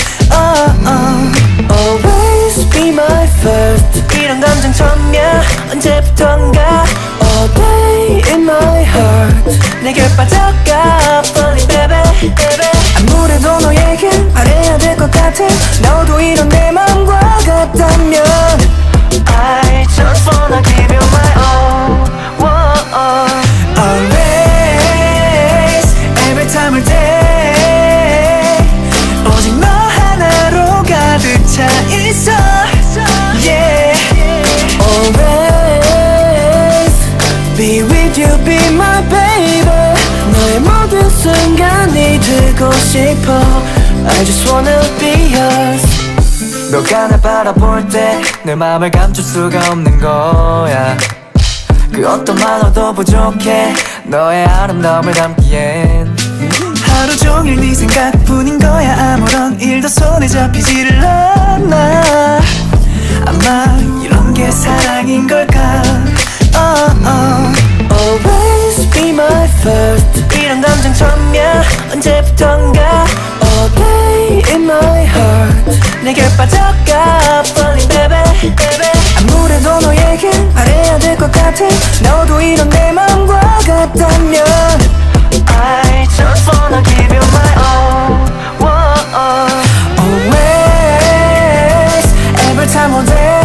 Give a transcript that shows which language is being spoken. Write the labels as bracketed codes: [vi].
[en] Oh oh. Always be my first. [ko] 이런 감정 처음이야. 언제부턴가. [en] All day in my heart. [ko] 내게 빠져가. [en] Falling baby baby. [ko] 아무래도 너에게 말해야 될 것 같아. 너도 이런 내 맘과 같다면 [en] I just wanna give you my all. Oh, oh. Always, every time or day. [ko] 오직 너 하나로 가득 차 있어. [en] Yeah. Always be with you, be my baby. [ko] 너의 모든 순간이 되고 싶어. [en] I just wanna be yours. [ko] 너가 날 바라볼 때 내 맘을 감출 수가 없는 거야. 그 어떤 말로도 부족해 너의 아름다움을 담기엔. 하루 종일 네 생각뿐인 거야. 아무런 일도 손에 잡히지를 않아. 아마 이런 게 사랑인 걸까. [en] Oh, oh. Always be my first. [ko] 이런 감정 처음이야. 언제부턴가. [en] All day in my heart. [ko] 내게 빠져가. [en] Falling baby, baby. [ko] 아무래도 너에게 말해야 될 것 같아. 너도 이런 내 맘과 같다면 [en] I just wanna give you my all. Oh, oh. Always, every time or day.